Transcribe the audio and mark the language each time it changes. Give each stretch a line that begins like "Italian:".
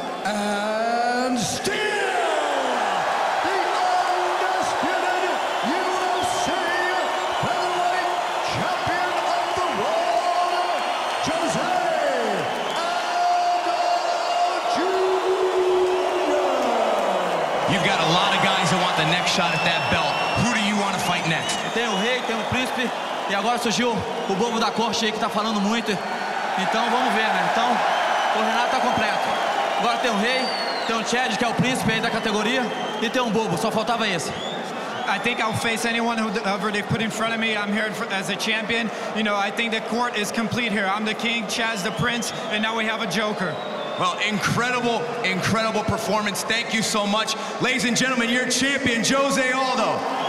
English: And still the undisputed UFC featherweight champion of the world, Jose Aldo Jr. You've got a lot of guys who want the next shot at that belt. Who do you want to fight next?
Portuguese: Tem o rei, tem o príncipe. E agora surgiu o bobo da corte aí que tá falando muito. Então vamos ver, né? Então, o Renato tá completo. Agora tem o rei, tem o Chad, que é o príncipe aí da categoria, e tem um bobo, só faltava esse.
English: I think I'll face anyone whoever they put in front of me. I'm here as a champion. You know, I think the court is complete here. I'm the king, Chad's the prince, and now we have a joker. Well, incredible, incredible performance. Thank you so much. Ladies and gentlemen, your champion, Jose Aldo.